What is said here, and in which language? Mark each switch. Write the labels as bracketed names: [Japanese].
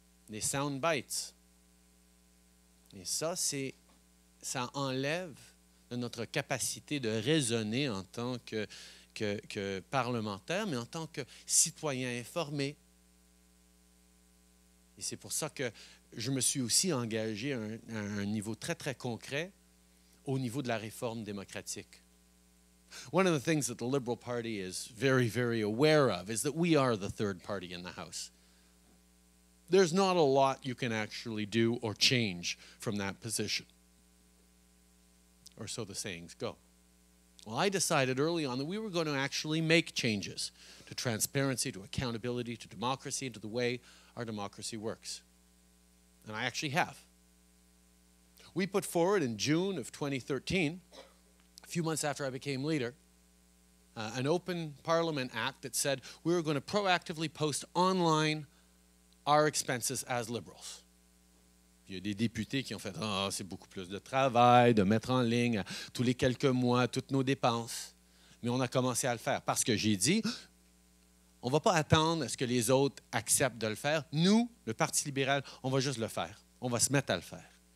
[French] des sound bites. Et ça, c'est, ça enlève de notre capacité de raisonner en tant que parlementaire, mais en tant que citoyen informé. Et c'est pour ça que je me suis aussi engagé à un niveau très, très concret au niveau de la réforme démocratique. [English] One of the things that the Liberal Party is very, very aware of is that we are the third party in the House. There's not a lot you can actually do or change from that position. Or so the sayings go. Well, I decided early on that we were going to actually make changes to transparency, to accountability, to democracy, and to the way our democracy works. And I actually have. We put forward in June of 2013, a few months after I became leader, an open parliament act that said we were going to proactively post online our expenses as liberals. [French] Il y a des députés qui ont fait, oh, c'est beaucoup plus de travail de mettre en ligne tous les quelques mois toutes nos dépenses. Mais on a commencé à le faire parce que j'ai dit, on ne va pas attendre à ce que les autres acceptent de le faire. Nous, le Parti libéral, on va juste le faire. On va se mettre à le faire.